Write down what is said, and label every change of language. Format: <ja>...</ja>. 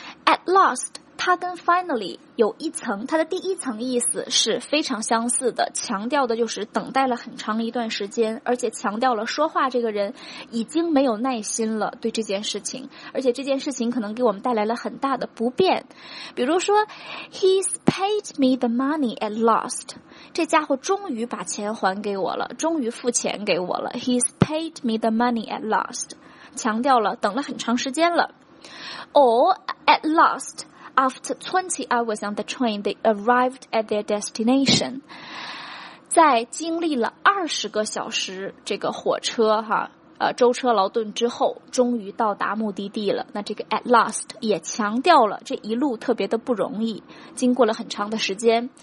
<zh>At last, 它跟 finally 有一层，它的第一层意思是非常相似的，强调的就是等待了很长一段时间，而且强调了说话这个人已经没有耐心了对这件事情，而且这件事情可能给我们带来了很大的不便。比如说</zh> <en>He's paid me the money at last.</en> <zh>这家伙终于把钱还给我了，终于付钱给我了。</zh> <en>He's paid me the money at last.</en> <zh>强调了等了很长时间了。</zh> <en>Or at last after 20 hours on the train they arrived at their destination.</en> <zh>在经历了20个小时这个火车哈舟车劳顿之后终于到达目的地了。那这个 at last 也强调了这一路特别的不容易，经过了很长的时间。</zh>